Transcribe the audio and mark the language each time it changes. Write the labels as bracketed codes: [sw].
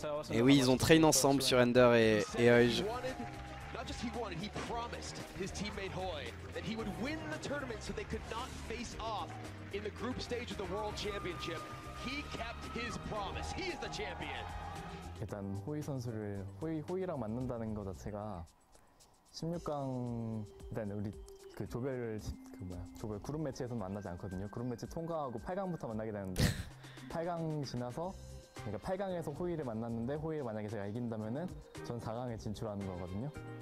[fr] Et oui, ils ont train ensemble sur Ender et Oige. [en] Not just he wanted, he promised his teammate Hoy that he would win the tournament so they could not face off in the group stage of the World Championship. He kept his promise. He is the champion. [ko] 일단 호이 선수를 호이랑 맞는다는 거 자체가 16강 일단 우리 그 조별 그 뭐야 조별 그룹 매치에서 만나지 않거든요. 그룹 매치 통과하고 8강부터 만나게 되는데 8강 지나서 그러니까 8강에서 호이를 만났는데 호이 만약에 제가 이긴다면은 전 4강에 진출하는 거거든요.